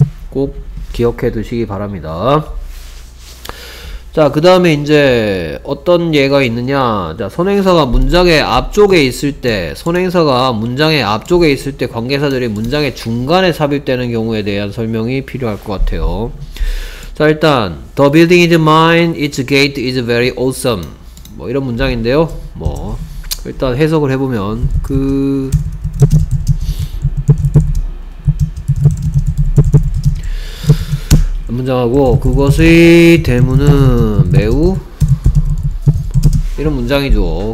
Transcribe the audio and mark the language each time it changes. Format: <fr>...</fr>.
<ko>꼭 기억해 두시기 바랍니다. 자, 그 다음에 이제 어떤 예가 있느냐. 자, 선행사가 문장의 앞쪽에 있을 때, 선행사가 문장의 앞쪽에 있을 때 관계사들이 문장의 중간에 삽입되는 경우에 대한 설명이 필요할 것 같아요. 자, 일단</ko> <en>The building is mine, its gate is very awesome.</en> <ko>뭐 이런 문장인데요. 뭐 일단 해석을 해보면 그 문장하고 그것의 대문은 매우 이런 문장이죠.</ko>